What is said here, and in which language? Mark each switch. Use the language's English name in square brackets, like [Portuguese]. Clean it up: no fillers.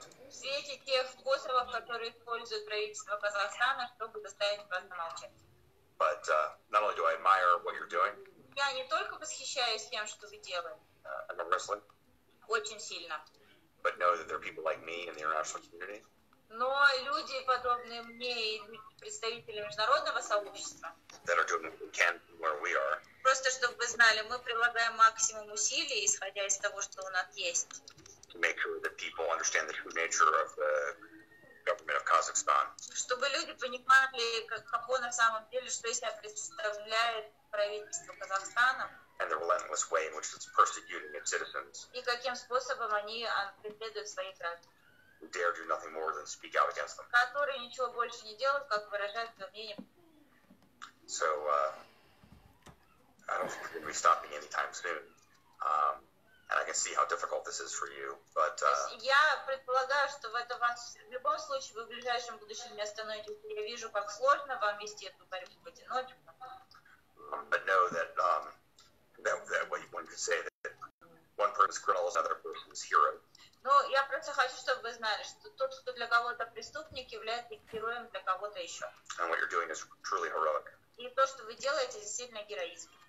[Russian] Свети тех способов, которые использует правительство Казахстана, чтобы заставить вас замолчать. [English] But not only do I admire what you're doing. [Russian] Я не только восхищаюсь тем, что вы делаете. Очень сильно. [English] But know that there are people like me in the international community. [Russian] Но люди подобные мне и представители международного сообщества. [English] That are doing what we can where we are. [Russian] Просто чтобы вы знали, мы прилагаем максимум усилий, исходя из того, что у нас есть. Чтобы люди понимали, какое на самом деле, что из себя представляет правительство Казахстана. [English] And the relentless way in which it's persecuting its citizens. [Russian] И каким способом они преследуют своих граждан. Которые ничего больше не делают, как выражают свое мнение. [English] So, I don't think we're going to be stopping anytime soon. And I can see how difficult this is for you, but... [Russian] Я предполагаю, что это вас в любом случае, вы в ближайшем будущем не остановитесь. Я вижу, как сложно вам вести эту борьбу в одиночку. [English] But know that what one could say, that one person's criminal is another person's hero. [Russian] Ну, я просто хочу, чтобы вы знали, что тот, кто для кого-то преступник, является героем для кого-то еще. [English] And what you're doing is truly heroic. [Russian] И то, что вы делаете, это сильный героизм.